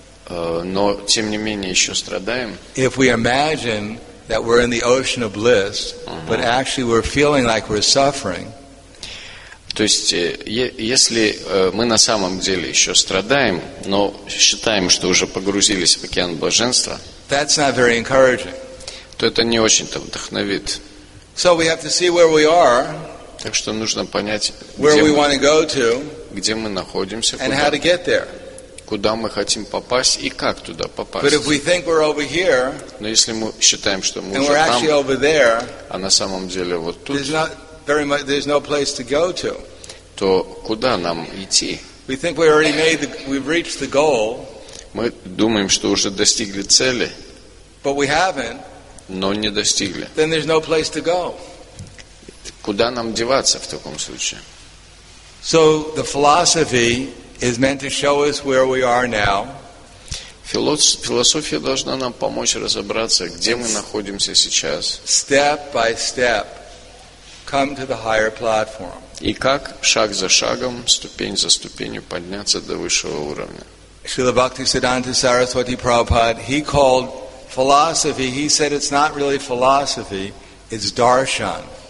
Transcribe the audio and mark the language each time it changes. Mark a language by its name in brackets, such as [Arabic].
[Russian] но тем не менее еще страдаем. [English] If we imagine that we're in the ocean of bliss, but actually we're feeling like we're suffering. [Russian] То есть, если мы на самом деле еще страдаем, но считаем, что уже погрузились в океан блаженства, [English] that's not very encouraging. [Russian] То это не очень-то вдохновит. [English] So we have to see where we are, [Russian] так что нужно понять, [English] where we want to go to, [Russian] где мы находимся, [English] and how to get there. [Russian] Куда мы хотим попасть и как туда попасть. [English] But if we think we're over here, [Russian] но если мы считаем, что мы [English] and [Russian] уже [English] actually over there, [Russian] а на самом деле вот тут, [English] there's no place to go to. [Russian] То куда нам идти? [English] We think we already made the, we've reached the goal. [Russian] Мы думаем, что уже достигли цели. [English] But we haven't. [Russian] Но не достигли. [English] Then there's no place to go. [Russian] Куда нам деваться в таком случае? [English] So the philosophy is meant to show us where we are now. [Russian] Философия должна нам помочь разобраться, где мы находимся сейчас. [English] Step by step. Come to the higher platform. [Russian] И как шаг за шагом, ступень за ступенью подняться до высшего уровня. [English] Śrīla Bhaktisiddhānta Saraswati Prabhupāda, he called philosophy, he said it's not really philosophy, it's darshan.